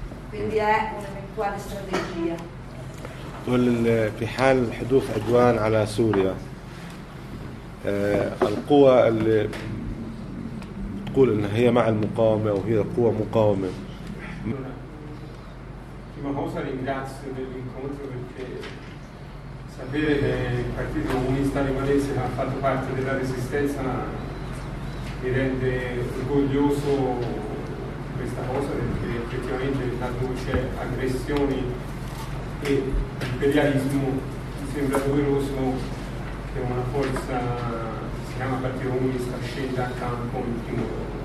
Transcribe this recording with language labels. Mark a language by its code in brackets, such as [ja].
[it] Quindi è un'eventuale strategia. [ar] في حال حدوث عدوان على سوريا القوة اللي بتقول انها هي مع المقاومة او هي قوة مقاومة [it] prima cosa ringrazio dell'incontro perché sapere che il Partito Comunista Libanese ha fatto parte della resistenza mi rende orgoglioso questa cosa perché effettivamente traduce aggressioni e l'imperialismo mi sembra doveroso che una forza che si chiama Partito Comunista scenda a campo in primo luogo.